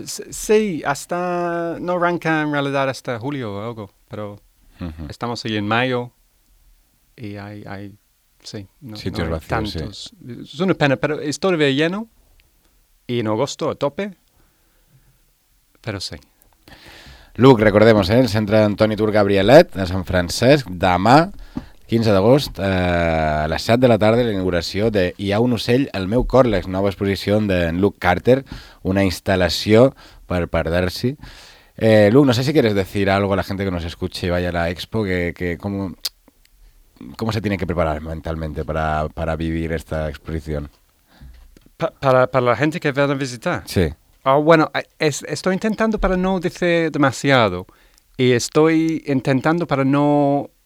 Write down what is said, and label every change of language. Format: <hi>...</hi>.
<es>Sí, hasta... No arranca en realidad hasta julio o algo, pero estamos ahí en mayo y hay sí, no, sitios no hay vacíos, tantos. Sí. Es una pena, pero es todavía lleno y en agosto a tope, pero sí.</es> <ca>Luc, recordemos, el Centre Antoni Tur Gabrielet de Sant Francesc, demà, 15 d'agost, a les 7 de la tarda, la inauguració de Hi ha un ocell al meu cor, la nova exposició de Luc Carter, una instal·lació per perder-s'hi.</ca> <es>Luc, no sé si quieres decir algo a la gente que nos escuche y vaya a la expo, que cómo se tiene que preparar mentalmente para vivir esta exposición. Para la gente que va a visitar. Sí. Bueno, estoy intentando para no decir demasiado y estoy intentando para no...</es>